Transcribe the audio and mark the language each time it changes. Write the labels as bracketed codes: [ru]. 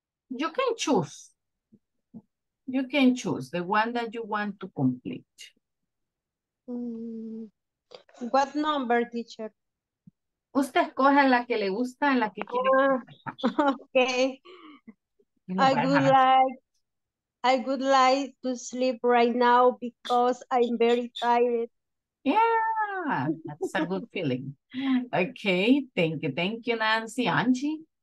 [en] You can choose the one that you want to complete. What number, teacher? [es] Usted escoge la que le gusta, la que quiere. [en] Okay. I would like to sleep right now because I'm very tired. Yeah, That's a good feeling. Okay, thank you. Thank you, Nancy. Angie?